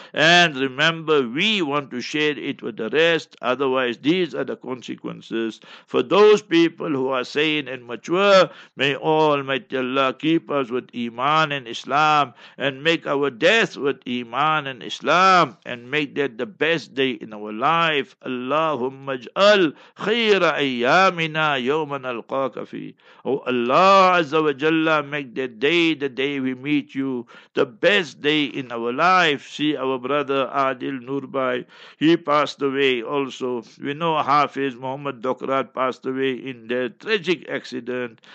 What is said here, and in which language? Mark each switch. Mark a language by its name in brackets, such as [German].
[English] And remember, we want to share it with the rest, otherwise these are the consequences. For those people who are sane and mature, may Almighty Allah keep us with Iman and Islam, and make our death with Iman and Islam, and make that the best day in our life. [Arabic] Allahu اجعل خير أيامنا يوم نلقاك فيه. [English] Oh Allah Azza wa Jalla, make that day, the day we meet you, the best day in our life. See, our brother Adil Nurbai, he passed away also. We know Hafiz Muhammad Dokrat passed away in the tragic accident.